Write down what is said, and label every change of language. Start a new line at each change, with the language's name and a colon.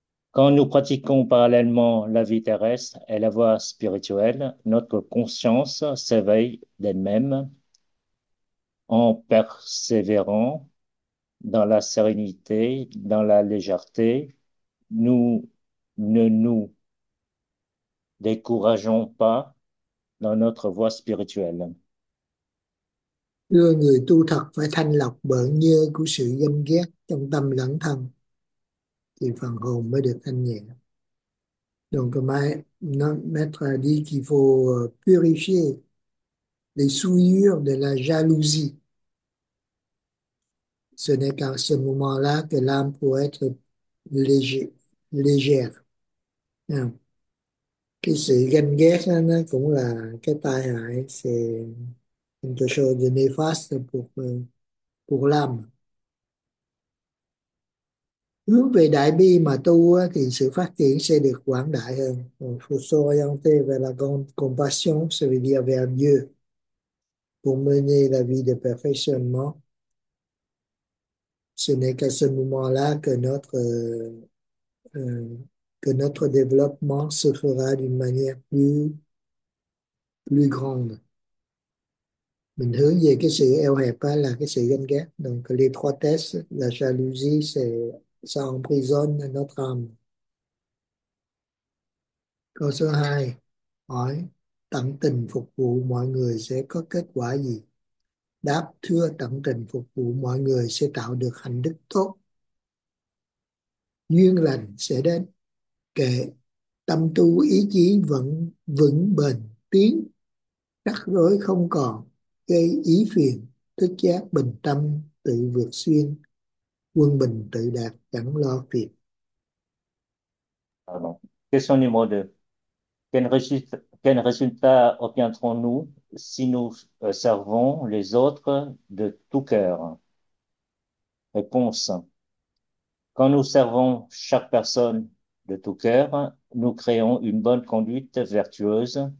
French: Quand nous pratiquons parallèlement la vie terrestre et la voie spirituelle, notre conscience s'éveille d'elle-même en persévérant dans la sérénité, dans la légèreté. Nous ne nous décourageons pas dans notre voie spirituelle.
Vietnamese: Đưa người tu thật phải thanh lọc bởi nhơ của sự ganh ghét trong tâm lẫn thân thì phần hồn mới được thanh nhẹ.
French: Donc mai nó mettre dit qu'il faut purifier les souillures de la jalousie. Ce n'est qu'à ce moment-là que l'âme peut être légère.
Vietnamese: Cái sự ganh ghét đó, nó cũng là cái tai hại,
French: c'est quelque chose de néfaste pour l'âme.
Vietnamese: Hướng về đại bi mà tu thì sự phát triển sẽ được quảng đại hơn.
French: Il faut s'orienter vers la grande compassion, ça veut dire vers Dieu, pour mener la vie de perfectionnement. Ce n'est qu'à ce moment-là que notre développement se fera d'une manière plus grande.
Vietnamese: Mình hướng về cái sự eo hẹp là cái sự ganh ghét.
French: Donc l'étroitesse, la jalousie, ça emprisonne notre âme.
Vietnamese: Câu số 2, hỏi tận tình phục vụ mọi người sẽ có kết quả gì? Đáp thưa tận tình phục vụ mọi người sẽ tạo được hạnh đức tốt. Duyên lành sẽ đến. Kệ tâm tu ý chí vẫn vững bền tiến. Rắc rối không còn. Gây ý phiền, thức giác bình tâm tự vượt xuyên, quân bình tự đạt chẳng lo việc.
French: Pardon. Question numéro 2. Quel résultat obtiendrons-nous si nous servons les autres de tout cœur? Réponse. Quand nous servons chaque personne de tout cœur, nous créons une bonne conduite vertueuse.